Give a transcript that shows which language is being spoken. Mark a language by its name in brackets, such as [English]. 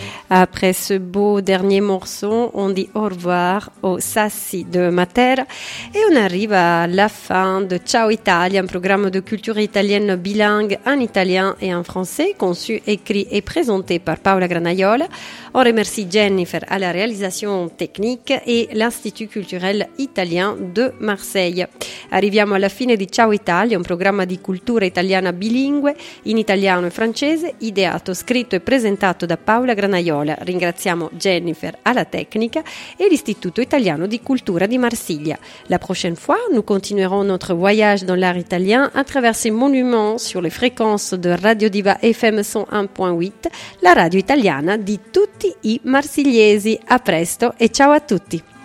[French] Après ce beau dernier morceau, on dit au revoir au Sassi de Matera et on arrive à la fin de Ciao Italia, un programme de culture italienne bilingue en italien et en français, conçu, écrit et présenté par Paola Granaiola. On remercie Jennifer à la réalisation technique et l'Institut culturel italien de Marseille. [Italian] Arriviamo alla fine di Ciao Italia, un programma di cultura italiana bilingue in italiano e francese, ideato, scritto e presentato da Paola Granaiola. Ringraziamo Jennifer alla tecnica e l'Istituto italiano di cultura di Marsiglia. [French] La prochaine fois, nous continuerons notre voyage dans l'art italien à travers ces monuments sur les fréquences de Radio Diva FM 101.8, [Italian] la radio italiana di tutti i marsigliesi. A presto e ciao a tutti.